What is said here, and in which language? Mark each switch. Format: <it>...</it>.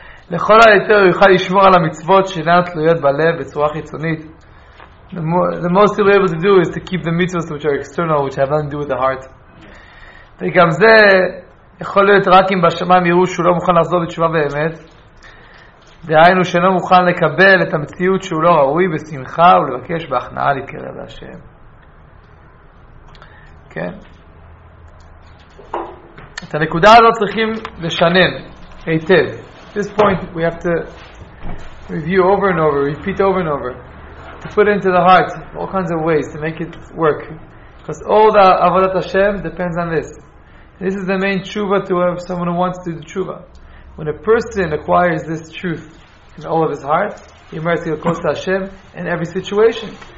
<he>לכל היתר יוכל לשמור על המצוות שאינה תלויות בלב בצורה חיצונית.</he> <en>The most he'll be able to do is to keep the mitzvot which are external, which have nothing to do with the heart.</en> <he>וגם זה יכול להיות רק אם בשמיים יראו שהוא לא מוכן לחזור בתשובה באמת, דהיינו שאינו מוכן לקבל את המציאות שהוא לא ראוי בשמחה ולבקש בהכנעה להתקרב להשם. כן? את הנקודה הזאת צריכים לשנן היטב.</he> <en>This point we have to review over and over, repeat over and over. To put it into the heart, all kinds of ways to make it work. Because all the Avodat Hashem depends on this. This is the main tshuva to have someone who wants to do the tshuva. When a person acquires this truth in all of his heart, he merits to go close to Hashem in every situation.</en>